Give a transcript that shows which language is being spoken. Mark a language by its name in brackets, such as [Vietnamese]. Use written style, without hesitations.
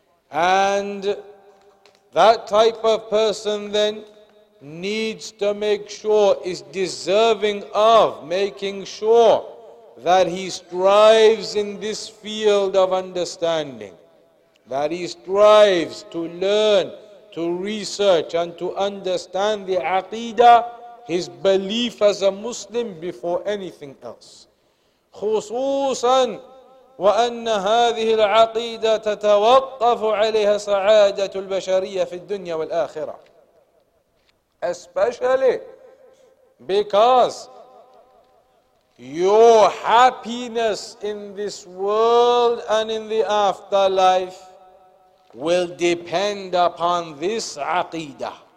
[English] and that type of person then needs to make sure, is deserving of making sure that he strives in this field of understanding. That he strives to learn, to research, and to understand the aqidah, his belief as a Muslim, before anything else. [Arabic] خصوصاً وأن هذه العقيدة تتوقف عليها سعادة البشرية في الدنيا والآخرة. [English] Especially because your happiness in this world and in the afterlife will depend upon this aqidah.